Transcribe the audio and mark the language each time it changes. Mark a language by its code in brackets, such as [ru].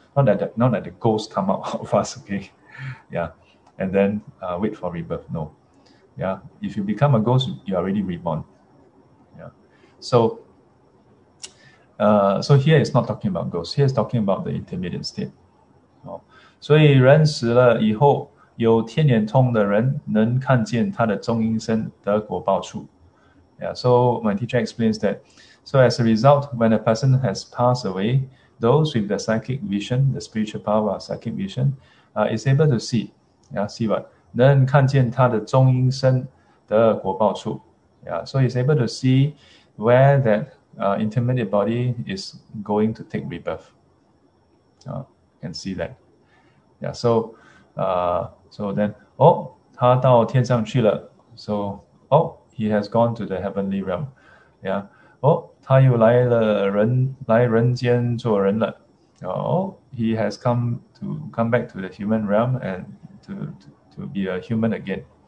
[en] Not that the ghost come out of us. Okay, yeah. And then wait for rebirth. No, yeah. If you become a ghost, you are already reborn. Yeah. So, so here it's not talking about ghosts. Here it's talking about the intermediate state. [zh] Oh, 所以人死了以后，有天眼通的人能看见他的中阴身得果报处. [en] Yeah. So my teacher explains that. So as a result, when a person has passed away, those with the psychic vision, the spiritual power, psychic vision, is able to see. Yeah, see what? [zh] 能看见他的中阴身的果报处. [en] Yeah, so he's able to see where that intermediate body is going to take rebirth. Can see that. Yeah, so so then [zh] 他到天上去了. [en] So he has gone to the heavenly realm. Yeah. [zh] Oh, 他又来人间做人了. [en] He has come back to the human realm and to be a human again.